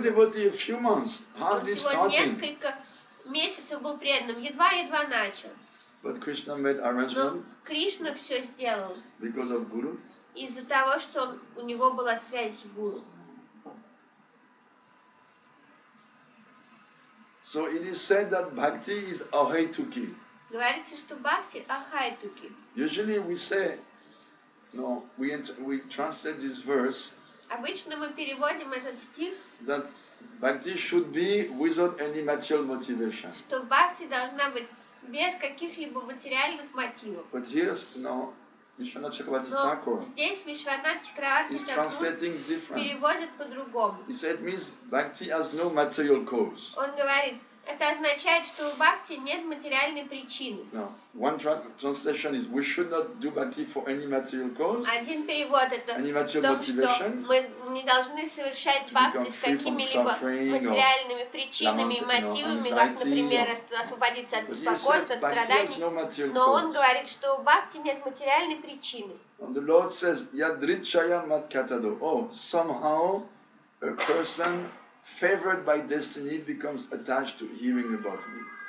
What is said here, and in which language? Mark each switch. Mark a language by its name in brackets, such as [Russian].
[English] New devotee a few months, hardly starting. [Russian] Он всего несколько месяцев был преданным, едва-едва начал. [English] But Krishna made arrangement. [Russian] Но Кришна все сделал. [English] Because of guru. [Russian] Из-за того, что у него была связь с гуру. [English] So it is said that bhakti is ahaituki. [Russian] Говорится, что бхакти ахайтуки. [English] Usually we say, no, we translate this verse. [Russian] Обычно мы переводим этот стих. [English] That bhakti should be without any material motivation. [Russian] Что бхакти должна быть без каких-либо материальных мотивов. [English] But here, no, Вишванатха Чакраварти Тхакур. [Russian] Здесь Вишванатха Чакраварти Тхакур [English] translating different. [Russian] Переводит по-другому. [English] He said, means bhakti has no material cause. [Russian] Он говорит, это означает, что у бхакти нет материальной причины. [English] No. One translation is we should not do bhakti for any material cause. [Russian] Один перевод это [English] any material motivation, [Russian] что мы не должны совершать бхакти с какими-либо материальными причинами и мотивами, как, например, освободиться от беспокойства, от страданий. [English] No material [Russian] cause. Но он говорит, что у бхакти нет материальной причины. [English] And the Lord says, Yadrichaya Matkatado. Oh, somehow a person favored by destiny becomes attached to hearing about me.